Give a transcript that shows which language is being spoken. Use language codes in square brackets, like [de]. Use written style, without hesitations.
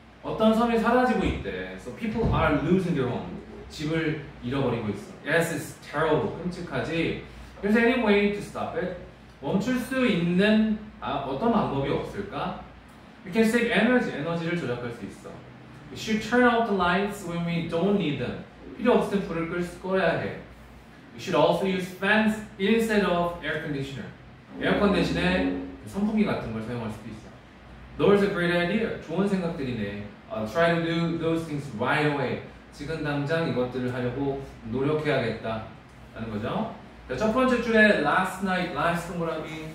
[ko] 어떤 섬이 사라지고 있대. [en] So people are losing their home. [ko] 집을 잃어버리고 있어. [en] Yes, it's terrible. [ko] 끔찍하지. [en] Is there any way to stop it? [ko] 멈출 수 있는 어떤 방법이 없을까? [en] We can save energy. [ko] 에너지를 조작할 수 있어. [en] We should turn off the lights when we don't need them. [ko] 필요 없을 때 불을 꺼야 해. [en] We should also use fans instead of air conditioner. [ko] 에어컨 대신에 선풍기 같은 걸 사용할 수도 있어. [en] Those are great ideas. [ko] 좋은 생각들이네. [en] Try to do those things right away. [ko] 지금 당장 이것들을 하려고 노력해야겠다. 라는 거죠. 자, 첫 번째 줄에 [en] last night, last [ko] 동그라미.